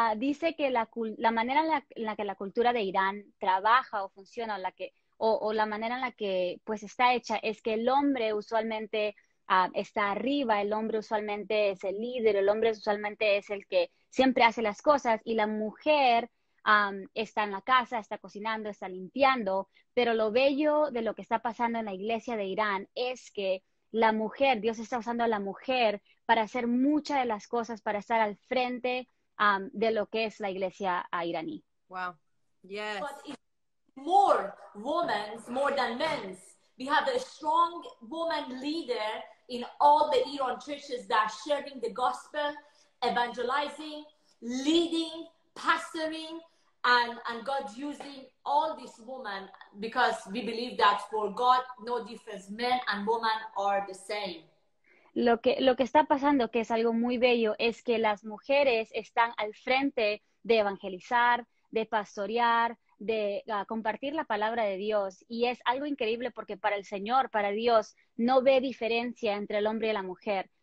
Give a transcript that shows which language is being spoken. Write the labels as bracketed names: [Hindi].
[Spanish] Dice que la manera en la que la cultura de Irán trabaja o funciona, la manera en la que pues está hecha, es que el hombre usualmente está arriba, el hombre usualmente es el líder, el hombre usualmente es el que siempre hace las cosas, y la mujer está en la casa, está cocinando, está limpiando. Pero lo bello de lo que está pasando en la iglesia de Irán es que la mujer, Dios está usando a la mujer para hacer muchas de las cosas, para estar al frente de lo que es la iglesia iraní. [English] Wow. Yes. But it's more women, more than men. We have a strong woman leader in all the Iran churches that are sharing the gospel, evangelizing, leading, pastoring, and God using all these women, because we believe that for God, no difference, men and women are the same. [Spanish] Lo que está pasando, que es algo muy bello, es que las mujeres están al frente de evangelizar, de pastorear, de compartir la palabra de Dios. Y es algo increíble porque para el Señor, para Dios, no ve diferencia entre el hombre y la mujer.